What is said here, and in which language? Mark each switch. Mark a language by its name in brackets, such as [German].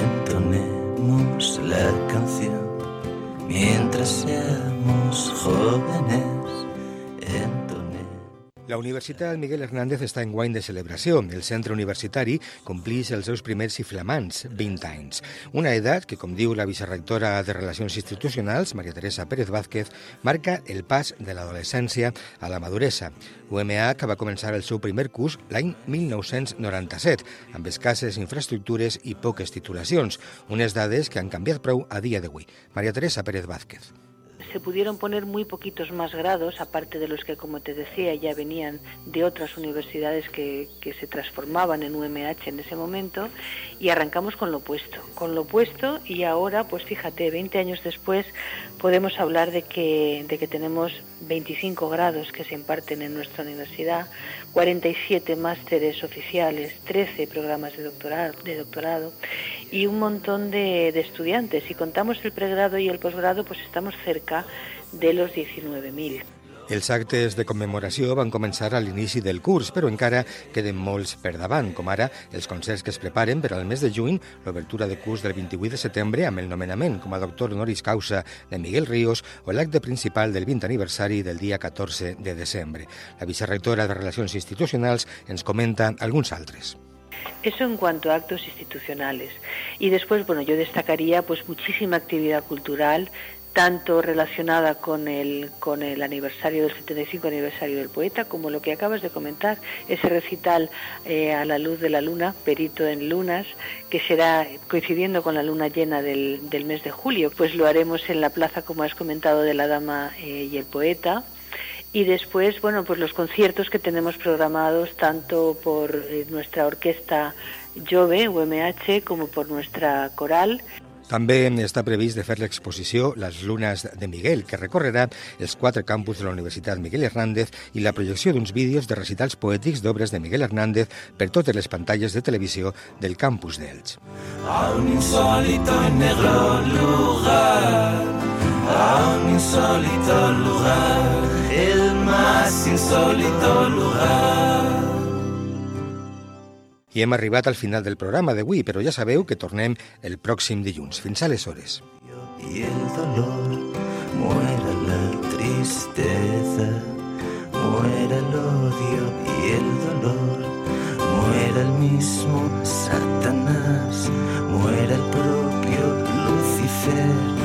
[Spanish] Entonemos la canción mientras seamos jóvenes. [Catalan] La Universitat Miguel Hernández està en guany de celebració. El centre universitari complís els seus primers i flamants 20 anys. Una edat que, com diu la vicerrectora de Relacions Institucionals, Maria Teresa Pérez Vázquez, marca el pas de l'adolescència a la maduresa. UMH que va començar el seu primer curs l'any 1997, amb escasses infraestructures i poques titulacions, unes dades que han canviat prou a dia d'avui. Maria Teresa Pérez Vázquez. [Spanish] Se pudieron poner muy poquitos más grados, aparte de los que, como te decía, ya venían de otras universidades que se transformaban en UMH en ese momento, y arrancamos con lo puesto. Con lo puesto, y ahora, pues fíjate, 20 años después, podemos hablar de que tenemos 25 grados que se imparten en nuestra universidad, 47 másteres oficiales, 13 programas de doctorado y un montón de estudiantes. Si contamos el pregrado y el posgrado, pues estamos cerca de los 19.000. [Catalan] Els actes de commemoració van començar a l'inici del curs, però encara queden molts per davant, com ara els concerts que es preparen per al mes de juny, l'obertura de curs del 28 de setembre amb el nomenament com a doctor honoris causa de Miguel Ríos o l'acte principal del 20 aniversari del dia 14 de desembre. La vicerrectora de Relacions Institucionals ens comenta alguns altres. [Spanish] Eso en cuanto a actos institucionales. Y después, bueno, yo destacaría pues muchísima actividad cultural, tanto relacionada con el aniversario del 75 aniversario del poeta, como lo que acabas de comentar, ese recital a la luz de la luna, Perito en Lunas, que será coincidiendo con la luna llena del mes de julio, pues lo haremos en la plaza, como has comentado, de la dama y el poeta. Y después, bueno, pues los conciertos que tenemos programados tanto por nuestra orquesta Jove, UMH, como por nuestra coral. [Catalan] També està previst de fer l'exposició Les Lunes de Miguel, que recorrerà els quatre campus de la Universitat Miguel Hernández i la projecció d'uns vídeos de recitals poètics d'obres de Miguel Hernández per totes les pantalles de televisió del campus d'Elx. [Spanish] A un insòlito y negro lugar, a un insòlito lugar, el más insòlito lugar. [Catalan] I hem arribat al final del programa d'avui, però ja sabeu que tornem el pròxim dilluns. Fins aleshores. [Spanish] Y el dolor, muera la tristeza, muera el odio y el dolor, muera el mismo Satanás, muera el propio Lucifer.